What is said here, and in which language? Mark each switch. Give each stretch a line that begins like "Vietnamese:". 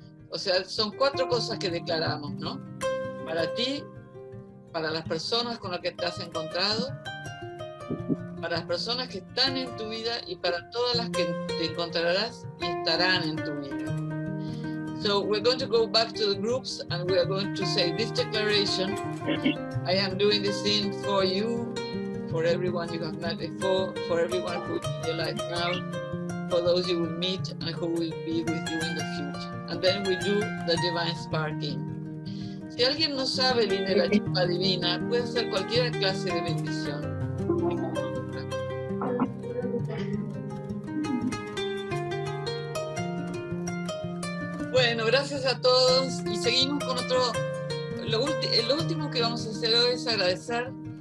Spanish: O sea, son cuatro cosas que declaramos, ¿no? Para ti, para las personas con las que te has encontrado, para las personas que están en tu vida y para todas las que te encontrarás y estarán en tu vida.
English: So, we're going to go back to the groups and we are going to say this declaration. I am doing this thing for you. For everyone you have met before, for everyone who is in your life now, for those you will meet and who will be with you in the future. And then we do the divine sparking.
Spanish: Si alguien no sabe el de la chispa divina, puede ser cualquier clase de bendición. Bueno, gracias a todos y seguimos con otro. Lo último que vamos a hacer hoy es agradecer.